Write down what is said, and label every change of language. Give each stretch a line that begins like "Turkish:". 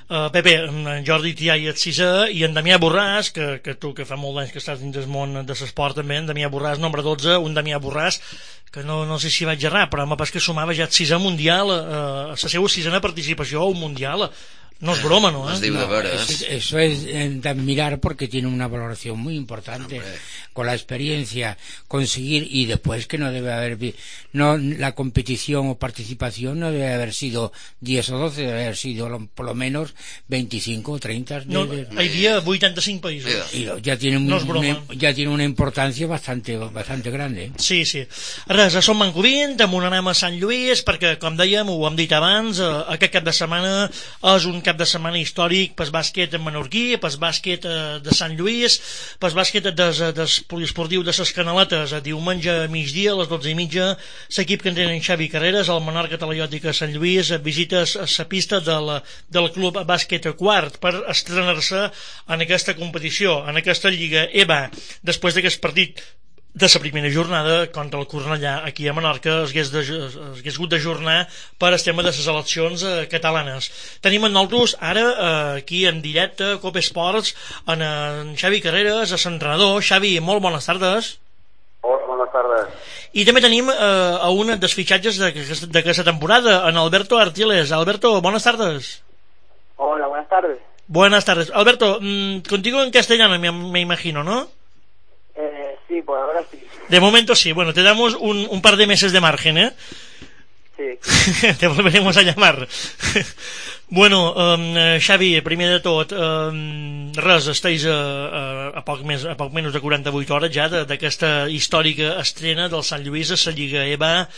Catalan: Pepe, en Jordi Tiai et sisè, i en Damià Borràs, que tu, que fa molt d'anys que estàs dins del món de l'esport també, en Damià Borràs, nombre 12, un Damià Borràs, que no sé si vaig errar, però pas que sumava ja el sisè mundial, la seva sisena participació a un mundial.
Spanish: No es broma, no, eh?
Catalan: Es diu de veres.
Spanish: Eso es d'admirar, porque tiene una valoración muy importante. Hombre. Con la experiencia, conseguir, y después que no debe haber, no, la competición o participación no debe haber sido 10 o 12, debe haber sido por lo menos 25 o 30. No, hay día 85 países. Y ya tiene un, no es broma. Ya tiene una importancia bastante, bastante grande. Sí, sí.
Catalan: Res, som Mancovint, amb un anem a Sant Lluís, perquè, com dèiem, ho hem dit abans, aquest cap de setmana és un cap de setmana històric pel bàsquet en menorquí, pel bàsquet de Sant Lluís, pel bàsquet des poliesportiu de ses Canaletes. Diumenge a migdia, a les 12:30, l'equip que entrenen Xavi Carreras, el Menorca Talaiòtic a Sant Lluís, visita la pista del club bàsquet Quart per estrenar-se en aquesta competició, en aquesta lliga EBA. Després d'aquest partit de la primera jornada contra el Cornellà aquí a Menorca, s'hagués hagut d'ajornar per el tema de les eleccions catalanes. Tenim en nosaltres ara aquí en directe Cop Esports en Xavi Carreras, l'entrenador. Xavi, molt bones tardes. Hola, bones tardes. I també tenim a un dels fitxatges d'aquesta temporada, en Alberto Artiles. Alberto, bones tardes.
Spanish: Hola, buenas tardes. Buenas tardes. Alberto, contigo en castellano, me imagino, ¿no? Sí, por ahora sí. De momento sí, bueno, te damos un par de meses de margen, ¿eh? Sí. Te volveremos a llamar.
Catalan: Bueno, Xavi, primer de tot, res, estàs a poc menys de 48 hores ja d'aquesta històrica estrena del Sant Lluís a la Lliga EBA.